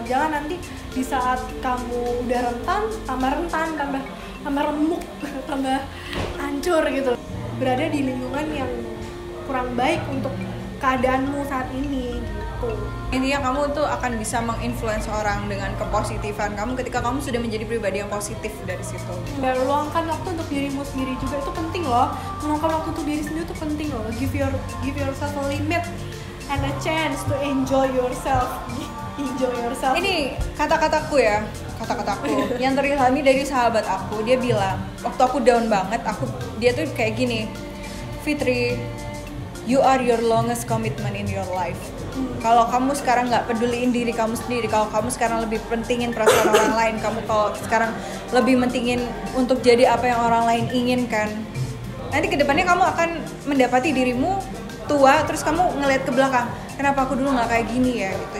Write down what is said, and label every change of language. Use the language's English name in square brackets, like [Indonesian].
[Indonesian] Jangan nanti di saat kamu udah rentan tambah remuk, tambah hancur gitu, berada di lingkungan yang kurang baik untuk keadaanmu saat ini gitu. Intinya kamu tuh akan bisa menginfluence orang dengan kepositifan kamu ketika kamu sudah menjadi pribadi yang positif dari situ. Dan luangkan waktu untuk dirimu sendiri juga, itu penting loh. Luangkan waktu untuk diri sendiri itu penting loh. [English] Give yourself a limit and a chance to enjoy yourself. [Indonesian] Ini kata-kataku yang terilhami dari sahabat aku. Dia bilang waktu aku down banget, dia tuh kayak gini, Fitri, [English] you are your longest commitment in your life. [Indonesian] Kalau kamu sekarang nggak peduliin diri kamu sendiri, kalau kamu sekarang lebih pentingin perasaan orang lain, kamu kalau sekarang lebih pentingin untuk jadi apa yang orang lain inginkan, nanti kedepannya kamu akan mendapati dirimu tua, terus kamu ngelihat ke belakang, kenapa aku dulu nggak kayak gini ya gitu.